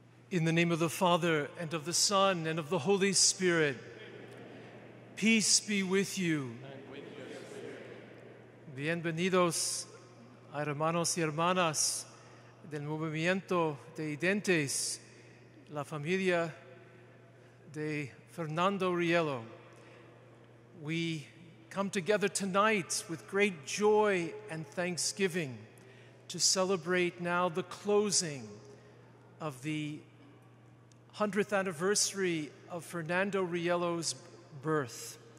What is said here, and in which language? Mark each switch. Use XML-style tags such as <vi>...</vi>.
<en>In the name of the Father, and of the Son, and of the Holy Spirit, peace be with you.</en> <es>Bienvenidos, hermanos y hermanas del movimiento de Identes, la familia de Fernando Rielo.</es> <en>We come together tonight with great joy and thanksgiving to celebrate now the closing of the 100th anniversary of Fernando Rielo's birth.</en>